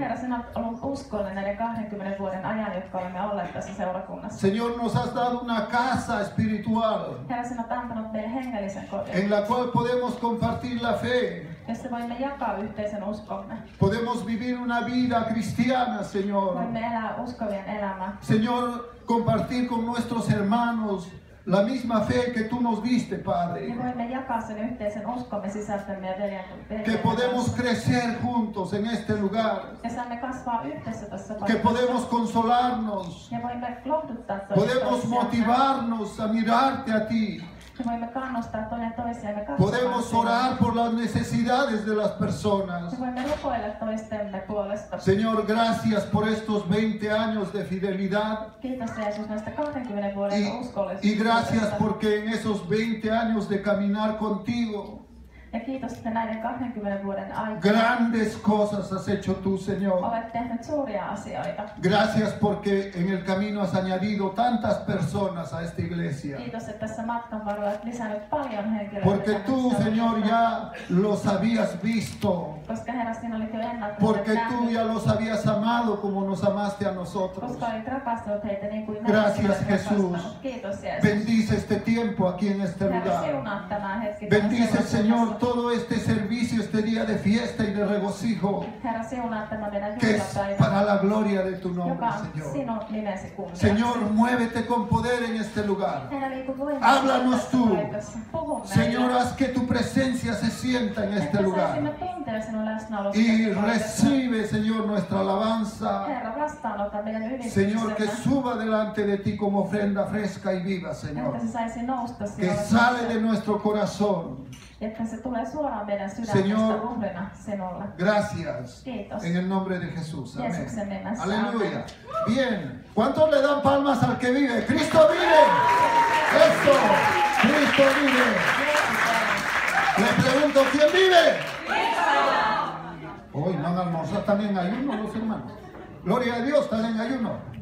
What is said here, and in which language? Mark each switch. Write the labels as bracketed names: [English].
[Finnish] Herra, sinä olet ollut uskollinen näiden 20 vuoden ajan, jotka olemme olleet tässä seurakunnassa. [Spanish] Señor, nos has dado una casa espiritual. [Finnish] Herra, sinä olet antanut meille hengellisen kodin. [Spanish] En la cual podemos compartir la fe. [Finnish] Jossa voimme jakaa yhteisen uskomme. [Spanish] Podemos vivir una vida cristiana, Señor. [Finnish] Voimme elää uskovien elämää. [Spanish] Señor, compartir con nuestros hermanos la misma fe que tú nos diste, Padre. [Finnish] Ja voimme jakaa sen yhteisen uskomme sisältämme ja veljen. [Spanish] Que podemos crecer juntos en este lugar. [Finnish] Ja saamme kasvaa yhdessä tässä paikassa. [Spanish] Que podemos consolarnos. [Finnish] Ja voimme lohduttaa toisiamme. [Spanish] Podemos motivarnos a mirarte a ti. [Finnish] Voimme kannustaa toinen toisiamme. [Spanish] Podemos orar por las necesidades de las personas. [Finnish] Voimme rukoilla toistemme puolesta. [Spanish] Señor, gracias por estos 20 años de fidelidad. [Finnish] Kiitos Jeesus näistä 20 vuoden uskollisuudesta. [Spanish] Y gracias porque en esos 20 años de caminar contigo. [Finnish] Ja kiitos että näiden 20 vuoden aikana. [Spanish] Grandes cosas has hecho tú, Señor. [Finnish] Olet tehnyt suuria asioita. [Spanish] Gracias porque en el camino has añadido tantas personas a esta iglesia. [Finnish] Kiitos että tässä matkan varrella olet lisännyt paljon henkilöitä. [Spanish] Porque tú, Señor, ja los habías visto. [Finnish] Koska Herra, sinä olit jo ennalta. [Spanish] Porque tú ya los habías amado como nos amaste a nosotros. [Finnish] Koska olit rakastanut heitä niin kuin [Spanish] gracias, Jesús. [Finnish] Kiitos Jeesus. [Spanish] Bendice este tiempo aquí en este lugar. Bendice, Señor, todo este servicio, este día de fiesta y de regocijo, que es para la gloria de tu nombre, Señor. Señor, muévete con poder en este lugar. Háblanos tú. Señor, haz que tu presencia se sienta en este lugar. Y recibe, Señor, nuestra alabanza. Señor, que suba delante de ti como ofrenda fresca y viva, Señor. Que sale de nuestro corazón. [Finnish] Että se tulee suoraan meidän sydämestä uhrina sinulle. [Spanish] Gracias. [Finnish] Kiitos. [Spanish] En el nombre de Jesús. Amén. [Finnish] Jeesuksen nimessä. [Spanish] Aleluya. Bien. ¿Cuántos le dan palmas al que vive? ¡Cristo vive! ¡Eso! ¡Cristo vive! Le pregunto, ¿quién vive? ¡Cristo! Uy, ¿no han almorzado también ayuno los hermanos? Gloria a Dios, ¿están en ayuno?